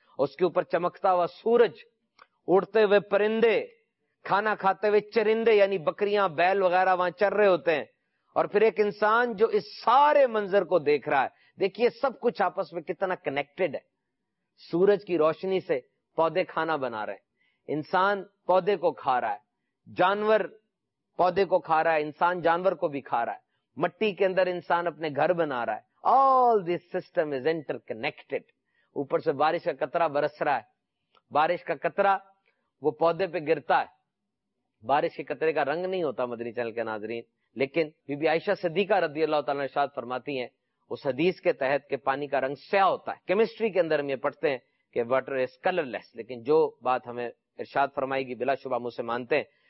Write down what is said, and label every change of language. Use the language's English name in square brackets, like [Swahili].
[Urdu] اس کے اوپر چمکتا ہوا سورج, اڑتے ہوئے پرندے, کھانا کھاتے ہوئے چرندے یعنی بکریاں بیل وغیرہ وہاں چر رہے ہوتے ہیں, اور پھر ایک انسان جو اس سارے منظر کو دیکھ رہا ہے. دیکھیے سب کچھ آپس میں کتنا کنیکٹڈ ہے. سورج کی روشنی سے پودے کھانا بنا رہے ہیں, انسان پودے کو کھا رہا ہے, جانور پودے کو کھا رہا ہے, انسان جانور کو بھی کھا رہا ہے, مٹی کے اندر انسان اپنے گھر بنا رہا ہے. [English] All this system is interconnected. [Urdu] اوپر سے بارش کا قطرہ برس رہا ہے, بارش کا قطرہ وہ پودے پہ گرتا ہے. بارش کے قطرے کا رنگ نہیں ہوتا مدنی چینل کے ناظرین, لیکن بی بی عائشہ صدیقہ رضی اللہ تعالیٰ ارشاد فرماتی ہیں اس حدیث کے تحت کہ پانی کا رنگ سیاہ ہوتا ہے. کیمسٹری کے اندر ہم یہ پڑھتے ہیں کہ [English] water is colourless, [Urdu] لیکن جو بات ہمیں ارشاد فرمائے گی بلا شبہ ہم اسے مانتے ہیں.